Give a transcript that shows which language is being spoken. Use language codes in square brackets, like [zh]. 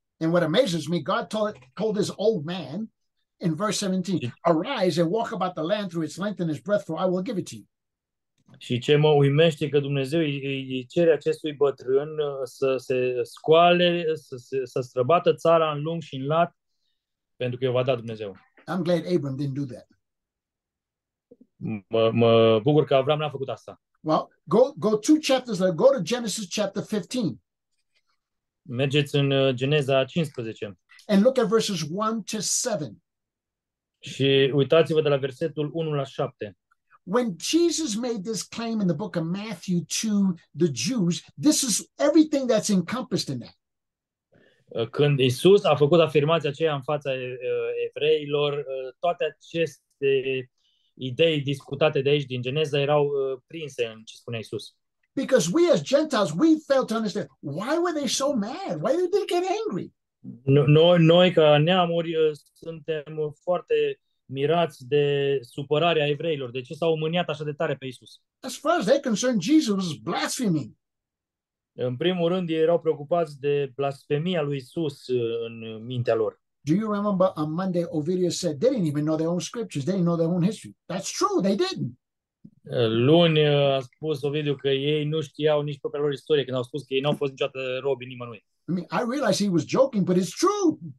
[en] And what amazes me, God told this old man in verse 17, arise and walk about the land through its length and its breadth, for I will give it to you. [ro] Și ce mă uimește că Dumnezeu îi cere acestui bătrân să se scoale, să străbată țara în lung și în lat, pentru că eu v-a dat Dumnezeu. [en] I'm glad Abram didn't do that. [ro] Mă bucur că Avram n-a făcut asta. [en] Well, go two chapters later. Go to Genesis chapter 15. [ro] Mergeți în Geneza 15. [en] And look at verses 1 to 7. [ro] Și uitați-vă de la versetul 1 la 7. [en] When Jesus made this claim in the book of Matthew to the Jews, this is everything that's encompassed in that. [ro] Când Isus a făcut afirmația aceea în fața evreilor, toate aceste idei discutate de aici din Geneza erau prinse în ce spune Isus. [en] Because we as Gentiles, we fail to understand why were they so mad? Why did they get angry? [ro] Noi ca neamuri suntem foarte mirați de supărarea evreilor, de ce s-au mâniat așa de tare pe Isus? [en] As far as they concerned, Jesus was blaspheming. [ro] În primul rând, ei erau preocupați de blasfemia lui Isus în mintea lor. [en] Do you remember on Monday Ovidius said they didn't even know their own scriptures, they didn't know their own history? That's true, they didn't. [ro] Luni a spus Ovidiu că ei nu știau nici propria lor istorie când au spus că ei n-au fost niciodată robi nimănui. [en] I mean, I realize he was joking, but it's true.